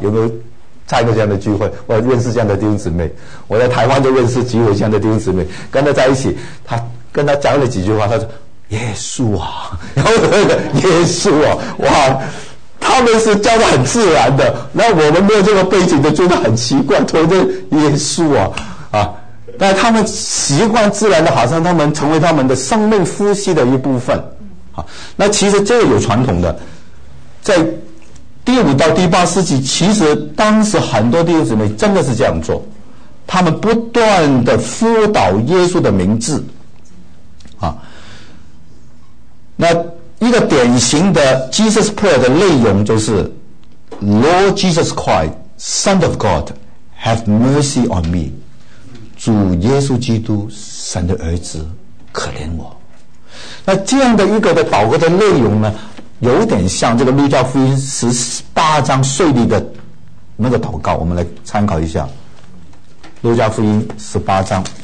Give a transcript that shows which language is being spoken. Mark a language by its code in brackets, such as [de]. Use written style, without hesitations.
[zh] 有没有参加这样的聚会？我认识这样的弟兄姊妹，我在台湾就认识几位这样的弟兄姊妹，跟他在一起，他跟他讲了几句话，他说耶稣啊，然后那个耶稣啊，哇，他们是教得很自然的，那我们没有这个背景的觉得很奇怪，突然间耶稣啊啊，但他们习惯自然的，好像他们成为他们的生命呼吸的一部分。那其实这个有传统的，在第五到第八世纪，其实当时很多弟兄姊妹真的是这样做，他们不断的呼祷耶稣的名字啊。那一个典型的 Jesus Prayer 的内容就是 [en] Lord Jesus Christ Son of God Have mercy on me， [zh] 主耶稣基督神的儿子可怜我。那这样的一个的祷告的内容呢，有点像这个路加福音十八章税吏的那个祷告，我们来参考一下路加福音十八章，